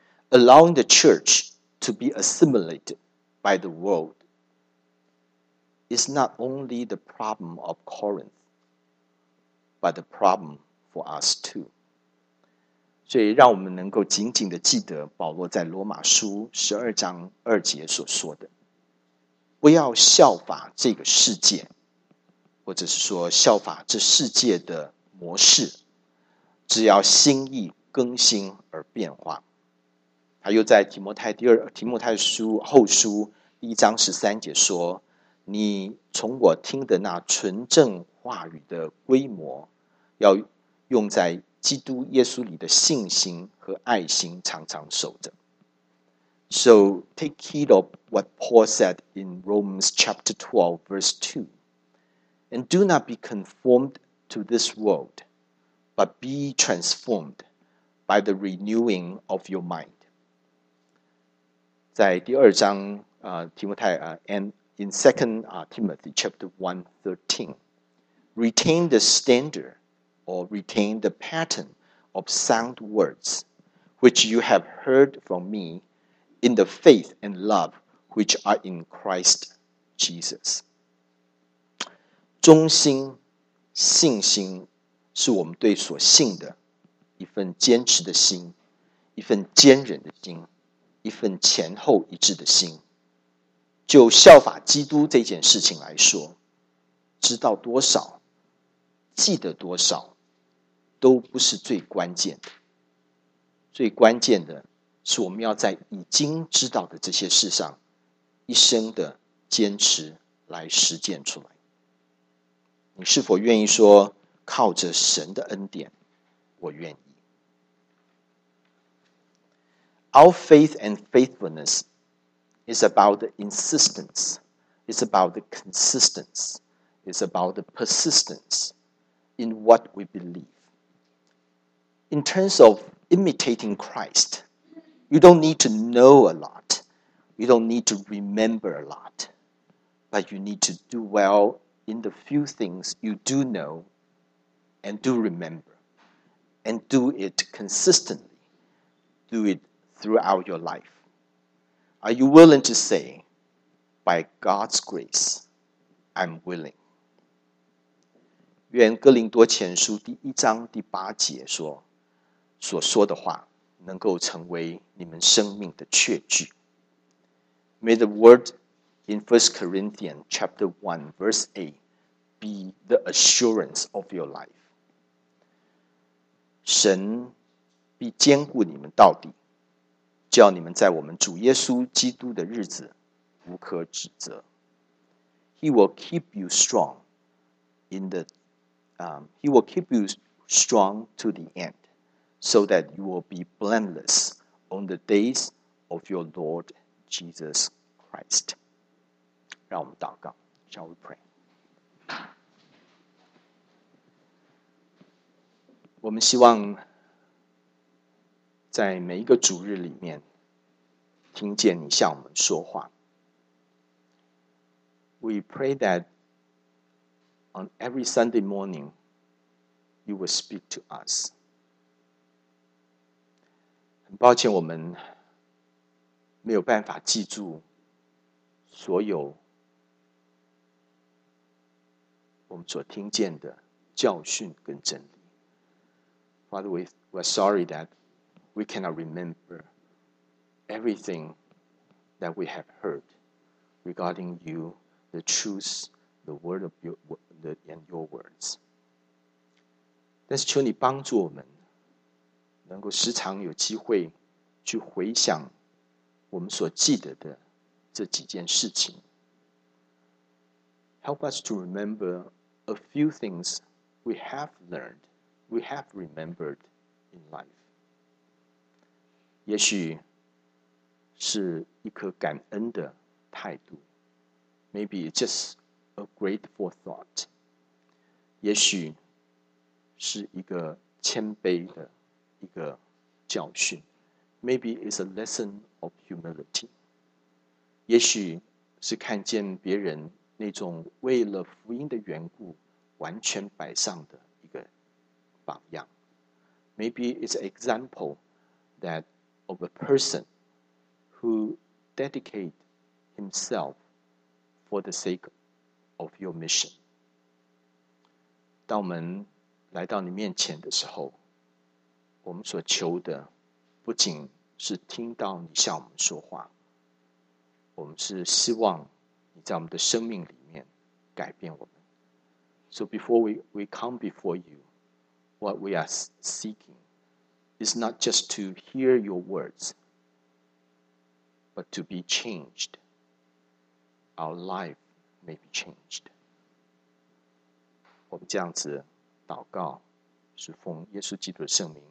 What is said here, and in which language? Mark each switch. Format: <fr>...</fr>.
<en>Allowing the church to be assimilated by the world is not only the problem of Corinth, but the problem for us too.</en> <zh>所以让我们能够紧紧的记得保罗在罗马书十二章二节所说的，不要效法这个世界，或者是说效法这世界的模式，只要心意更新而变化。他又在提摩太后书第一章十三节说，你从我听的那纯正话语的规模要用在基督耶稣里的信心和爱心常常守着。</zh> <en>So take heed of what Paul said in Romans chapter 12 verse 2 and do not be conformed to this world but be transformed by the renewing of your mind.</en> <zh>在第二章提摩太</zh> <en>and in 2nd Timothy chapter 1:13, retain the standardOr retain the pattern of sound words which you have heard from me in the faith and love which are in Christ Jesus.</en> <zh>忠心、信心是我们对所信的一份坚持的心，一份坚忍的心，一份前后一致的心。就效法基督这件事情来说，知道多少、记得多少，都不是最关键的。最关键的是我们要在已经知道的这些事上，一生的坚持来实践出来。你是否愿意说，靠着神的恩典，我愿意。</zh> <en>Our faith and faithfulness is about the insistence, it's about the consistence, it's about the persistence in what we believe. In terms of imitating Christ, you don't need to know a lot, you don't need to remember a lot, but you need to do well in the few things you do know and do remember, and do it consistently, do itthroughout your life. Are you willing to say, by God's grace, I'm willing?</en> <zh>愿哥林多前书第一章第八节说，所说的话能够成为你们生命的确据。</zh> <en>May the word in 1 Corinthians chapter 1 verse 8 be the assurance of your life.</en> <zh>神必坚固你们到底，叫你们在我们主耶稣基督的日子无可指责。</zh> <en>He will keep you strong in the, He will keep you strong to the end, so that you will be blameless on the days of your Lord Jesus Christ.</en> <zh>让我们祷告，</zh> <en>Shall we pray?</en> <zh>我们希望在每一个主日里面听见你向我们说话。</zh> <en>We pray that on every Sunday morning you will speak to us.</en> <zh>很抱歉我们没有办法记住所有我们所听见的教训跟真理。</zh> <en>Father, we're sorry that we cannot rememberEverything that we have heard regarding you, the truth, the word of your words.</en> <zh>但是求你帮助我们能够时常有机会去回想我们所记得的这几件事情。</zh> <en>Help us to remember a few things we have learned, we have remembered in life.</en> <zh>也许是一颗感恩的态度。</zh> <en>Maybe it's just a grateful thought.</en> <zh>也许是一个谦卑的一个教训。</zh> <en>Maybe it's a lesson of humility.</en> <zh>也许是看见别人那种为了福音的缘故完全摆上的一个榜样。</zh> <en>Maybe it's an example that of a personwho dedicate himself for the sake of your mission.</en> <zh>当我们来到你面前的时候，我们所求的不仅是听到你向我们说话，我们是希望你在我们的生命里面改变我们。</zh> <en>So before we come before you, what we are seeking is not just to hear your words,but to be changed, our life may be changed.</en> <zh>我们这样子祷告，是奉耶稣基督的圣名。</zh>